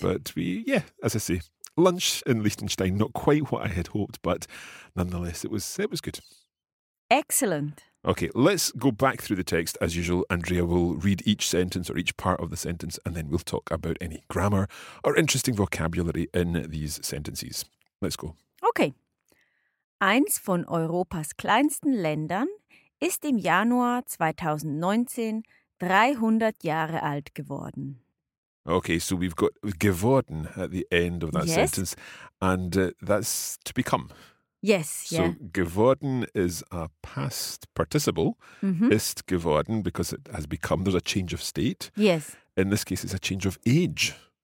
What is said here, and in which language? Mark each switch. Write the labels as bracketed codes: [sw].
[en] But as I say, lunch in Liechtenstein, not quite what I had hoped, but nonetheless, it was good. Excellent. Okay, let's go back through the text as usual. Andrea will read each sentence or each part of the sentence, and then we'll talk about any grammar or interesting vocabulary in these sentences. Let's go. Okay. [de] Eins von Europas kleinsten Ländern ist im Januar 2019 300 Jahre alt geworden. [en] Okay, so we've got geworden at the end of that yes. sentence, and that's to become. Yes, so yeah. So geworden is a past participle, mm-hmm. ist geworden, because it has become, there's a change of state. Yes. In this case, it's a change of age.